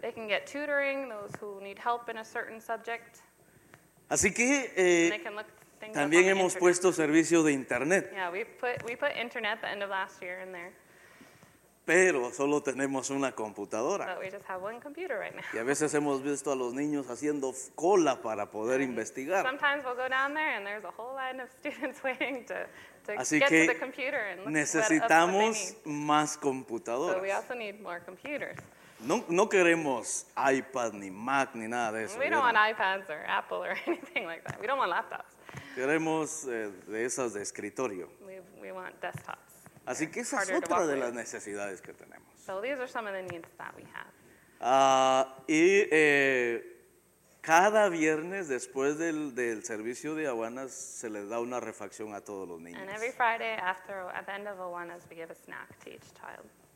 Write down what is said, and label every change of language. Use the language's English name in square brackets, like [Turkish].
[English] They can get tutoring, those who need help in a certain subject. [Spanish] Así que también hemos puesto servicio de internet. [English] Yeah, we put internet at the end of last year in there. [Spanish] Pero solo tenemos una computadora. [English] But we just have one computer right now. [Spanish] Y a veces hemos visto a los niños haciendo cola para poder investigar. [English] Sometimes we'll go down there and there's a whole line of students waiting to get to the computer and look what they need. [Spanish] Necesitamos más computadoras. [English] So we also need more computers. [Spanish] No queremos iPad ni Mac ni nada de eso. [English] We don't want iPads or Apple or anything like that. We don't want laptops. [Spanish] Queremos de esas de escritorio. [English] We want desktops. [Spanish] Así que esa es otra de las necesidades que tenemos. [English] So these are some of the needs that we have. [Spanish] Cada viernes después del servicio de Awanas se les da una refacción a todos los niños. [English] And every Friday after at the end of Awanas we give a snack to each child.